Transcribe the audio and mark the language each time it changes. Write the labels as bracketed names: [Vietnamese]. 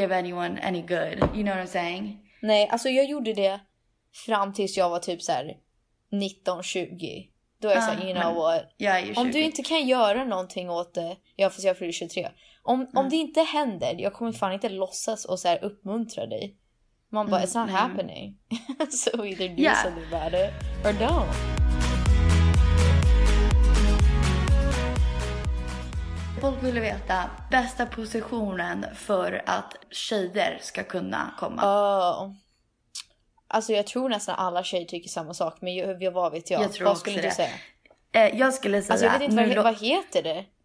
[English] Give anyone any good. You know what I'm saying? [Swedish] Nej, alltså jag gjorde det fram tills jag var typ så här 19-20. Då är jag såhär, [English] you know what? Yeah, you're 20. [Swedish] Om du inte kan göra någonting åt det, ja, fast jag fyller 23. Om det inte händer, jag kommer fan inte låtsas och så här uppmuntra dig. Man bara, [English] it's not happening. So either do something about it or don't. [Swedish] Folk ville veta bästa positionen för att tjejer ska kunna komma. Alltså jag tror nästan alla tjejer tycker samma sak. Men vad vet jag? Jag tror vad skulle du det. Säga? Jag skulle säga... Alltså jag vet inte vad heter det?